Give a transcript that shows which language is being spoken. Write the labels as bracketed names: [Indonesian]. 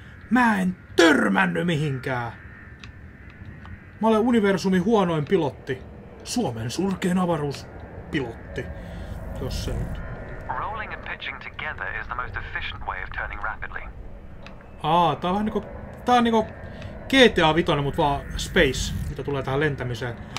[Finnish] Mä en törmänny mihinkään. Mä olen universumin huonoin pilotti. Suomen surkein avaruuspilotti. Jos se nyt. [English] Rolling and pitching together is the most efficient way of turning rapidly. [Finnish] Aa, tää on vähän niinku... Tää on niinku GTA Vitoina, mut vaan Space, mitä tulee tähän lentämiseen.